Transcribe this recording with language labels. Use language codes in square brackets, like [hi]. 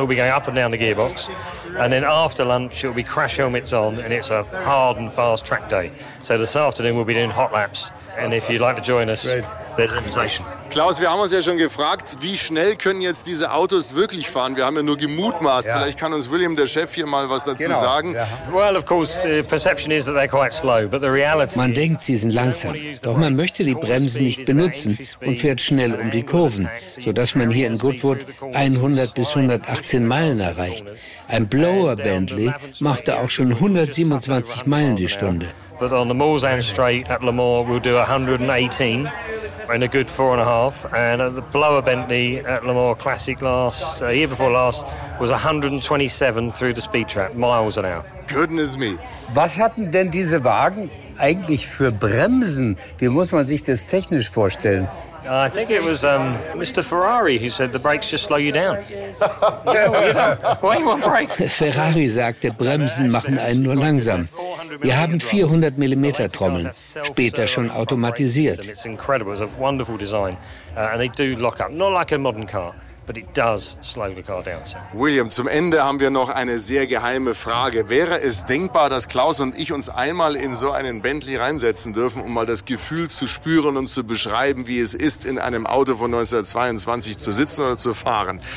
[en] And then after lunch it'll be crash helmets on, and it's a hard and fast track day. So this afternoon we'll be doing hot laps, and if you'd like to join us, there's an invitation. [de] Klaus, wir haben uns ja schon gefragt, wie schnell können jetzt diese Autos wirklich fahren? Wir haben ja nur gemutmaßt. Yeah. Vielleicht kann uns William, der Chef, hier mal was dazu sagen. [en] Yeah. Well, of course, the perception is that they're quite slow, but the reality. [de] Man denkt, sie sind langsam. Doch man möchte die Bremsen nicht benutzen und fährt schnell um die Kurven, sodass man hier in Goodwood 100 bis 118 Meilen erreicht. Ein Blower Bentley machte auch schon 127 Meilen die Stunde. [en] But on the Mulsanne Straight at Le Mans, we'll do 118. In a good 4.5, and the blower Bentley at Le Mans Classic last year before last was 127 through the speed trap, miles an hour. Goodness me. [de] Was hatten denn diese Wagen eigentlich für Bremsen? Wie muss man sich das technisch vorstellen? [en] I think it was Mr. Ferrari who said the brakes just slow you down. [de] Ferrari sagte, Bremsen machen einen nur langsam. Wir haben 400 mm Trommeln, später schon automatisiert. [en] It's incredible, it's a wonderful design. And they do lock up, not like a modern car. But it does slow the car down. [de] William, zum Ende haben wir noch eine sehr geheime Frage. Wäre es denkbar, dass Klaus und ich uns einmal in so einen Bentley reinsetzen dürfen, um mal das Gefühl zu spüren und zu beschreiben, wie es ist, in einem Auto von 1922 zu sitzen oder zu fahren?